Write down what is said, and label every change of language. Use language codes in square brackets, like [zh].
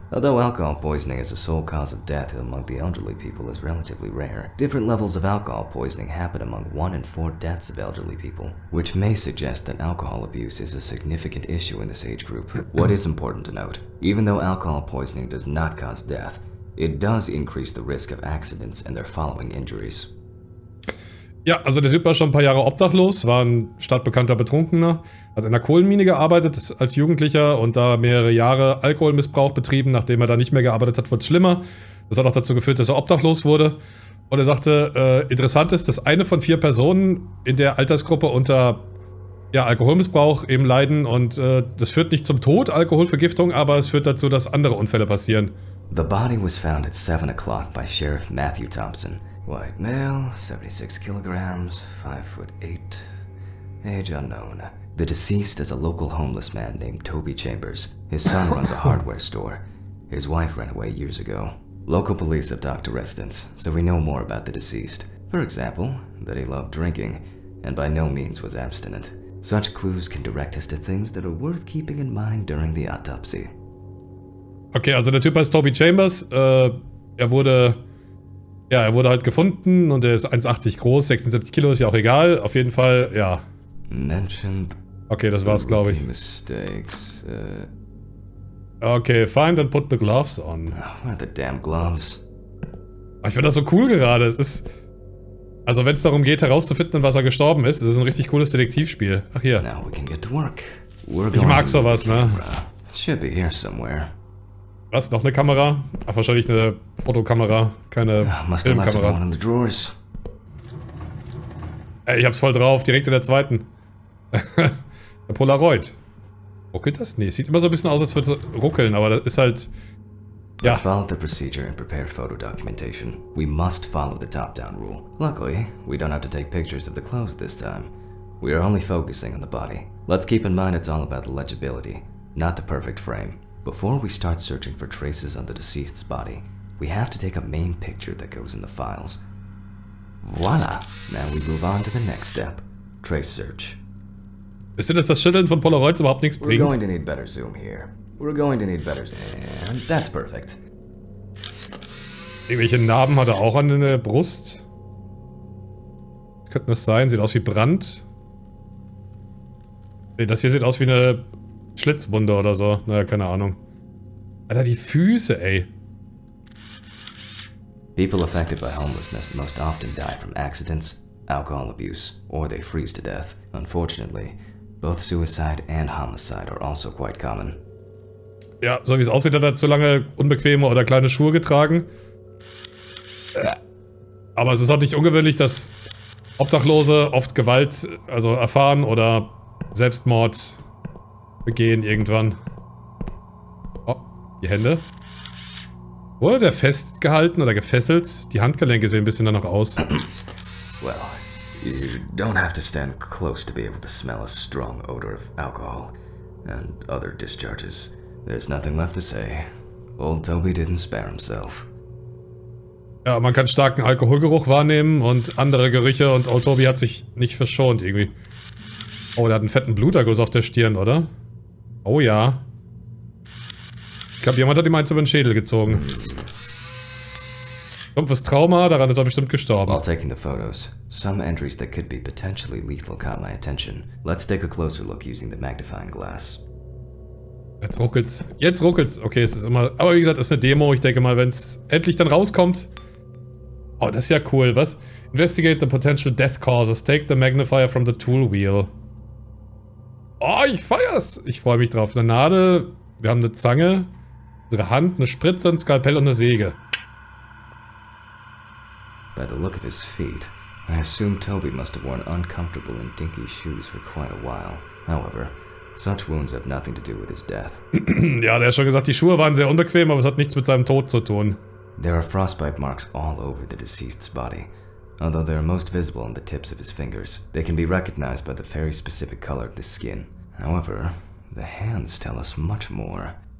[en] Although alcohol poisoning is the sole cause of death among the elderly people is relatively rare, different levels of alcohol poisoning happen among 1 in 4 deaths of elderly people, which may suggest that alcohol abuse is a significant issue in this age group. What is important to note, even though alcohol poisoning does not cause death, it does increase the risk of accidents and their following injuries. [de] Ja, also der Typ war schon ein paar Jahre obdachlos, war ein stadtbekannter Betrunkener, hat in einer Kohlenmine gearbeitet als Jugendlicher und da mehrere Jahre Alkoholmissbrauch betrieben. Nachdem er da nicht mehr gearbeitet hat, wurde es schlimmer. Das hat auch dazu geführt, dass er obdachlos wurde. Und er sagte, interessant ist, dass eine von 4 Personen in der Altersgruppe unter Alkoholmissbrauch eben leiden. Und das führt nicht zum Tod, Alkoholvergiftung, aber es führt dazu, dass andere Unfälle passieren. [en] The body was found at 7 o'clock by Sheriff Matthew Thompson. White male, 76 kilograms, 5'8", age unknown. The deceased is a local homeless man named Toby Chambers. His son runs a hardware store. His wife ran away years ago. Local police have talked to residents, so we know more about the deceased. For example, that he loved drinking, and by no means was abstinent. Such clues can direct us to things that are worth keeping in mind during the autopsy. [de] Okay, also der Typ heißt Toby Chambers. Er wurde halt gefunden und er ist 1,80 groß, 76 Kilo, ist ja auch egal. Auf jeden Fall, ja. [en] Mentioned. [de] Okay, das war's, glaube ich. [en] Mistakes. Okay, find and put the gloves on. Oh, where are the damn gloves? [de] Ich finde das so cool gerade. Es ist. Also, wenn es darum geht, herauszufinden, was er gestorben ist, es ist ein richtig cooles Detektivspiel. Ach, hier. [en] Now we can get to work. [de] Ich mag sowas, ne? [en] Should be here somewhere. [de] Was? Noch eine Kamera? Ach, wahrscheinlich eine Fotokamera, keine Filmkamera. Ey, ich hab's voll drauf, direkt in der zweiten. Der Polaroid. Ruckelt das? Nee, sieht immer so ein bisschen aus, als würde es ruckeln, aber das ist halt... Ja. [en] Let's follow the procedure and prepare photo documentation. We must follow the top-down rule. Luckily, we don't have to take pictures of the clothes this time. We are only focusing on the body. Let's keep in mind it's all about the legibility, not the perfect frame. Before we start searching for traces on the deceased's body, we have to take a main picture that goes in the files. Voila! Now we move on to the next step. Trace search. [de] Ist denn, dass das Schütteln von Polaroids überhaupt nichts bringt? [en] We're going to need better zoom here. We're going to need better zoom. And that's perfect. [de] Irgendwelche Narben hat er auch an der Brust. Was könnte das sein? Sieht aus wie Brand. Nee, das hier sieht aus wie eine... Schlitzwunde oder so. Naja, keine Ahnung. Alter, die Füße, ey. [en] People affected by homelessness most often die from accidents, alcohol abuse, or they freeze to death. Unfortunately, both suicide and homicide are also quite common. [de] Ja, so wie es aussieht, hat er zu lange unbequeme oder kleine Schuhe getragen. Aber es ist auch nicht ungewöhnlich, dass Obdachlose oft Gewalt, also erfahren oder Selbstmord gehen irgendwann. Oh, die Hände. Wurde der festgehalten oder gefesselt? Die Handgelenke sehen ein bisschen danach aus. [en] Well, you don't have to stand close to be able to smell a strong odor of alcohol and other discharges. There's nothing left to say. Old Toby didn't spare himself. [de] Ja, man kann starken Alkoholgeruch wahrnehmen und andere Gerüche und Old Toby hat sich nicht verschont irgendwie. Oh, der hat einen fetten Bluterguss auf der Stirn, oder? Oh ja. Ich glaube, jemand hat ihm eins über den Schädel gezogen. Stumpfes Trauma, daran ist er bestimmt gestorben. [en] While taking the photos, some entries that could be potentially lethal caught my attention. Let's take a closer look using the magnifying glass. [de] Jetzt ruckelt's. Jetzt ruckelt's. Okay, es ist immer... Aber wie gesagt, es ist eine Demo. Ich denke mal, wenn es endlich dann rauskommt... Oh, das ist ja cool, was? [en] Investigate the potential death causes. Take the magnifier from the tool wheel. [de] Oh, ich feier's! Ich freue mich drauf. Eine Nadel, wir haben eine Zange, unsere Hand, eine Spritze, ein Skalpell und eine Säge. [en] By the look of his feet, I assume Toby must have worn uncomfortable and dinky shoes for quite a while. However, such wounds have nothing to do with his death. [de] Ja, der hat schon gesagt, die Schuhe waren sehr unbequem, aber es hat nichts mit seinem Tod zu tun. [en] There are frostbite marks all over the deceased's body. although they are most visible on the tips of his fingers. They can be recognized by the very specific color of the skin. However, the hands tell us much more.